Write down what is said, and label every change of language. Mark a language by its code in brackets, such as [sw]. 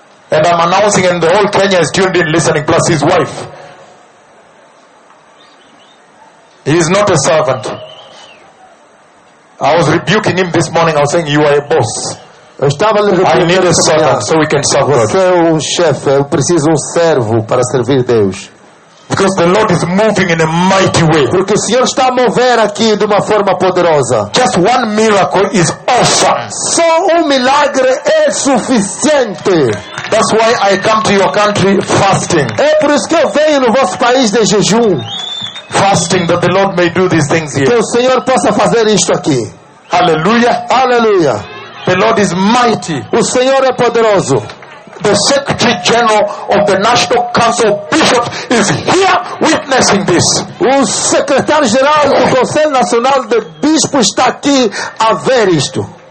[en] And I'm announcing, and the whole Kenya is tuned in listening, plus his wife. He is not a servant. I was rebuking him this morning. I was saying, you are a boss. I need a servant so we can serve God. [pt] Você é um chefe, eu preciso um servo para servir Deus. [en] Because the Lord is moving in a mighty way. [pt] Porque o Senhor está a mover aqui de uma forma poderosa. [en] Just one miracle is awesome. [pt] Só milagre é suficiente. [en] That's why I come to your country fasting. [pt] É por isso que eu venho no vosso país de jejum. [en] Fasting that the Lord may do these things here. [pt] Que o Senhor possa fazer isto aqui. Hallelujah. Hallelujah. [en] The Lord is mighty. [pt] O Senhor é poderoso. [en] The Secretary General of the National Council of Bishops is here witnessing this. [pt] O Secretário-Geral do Conselho Nacional de Bispos está aqui a ver isto.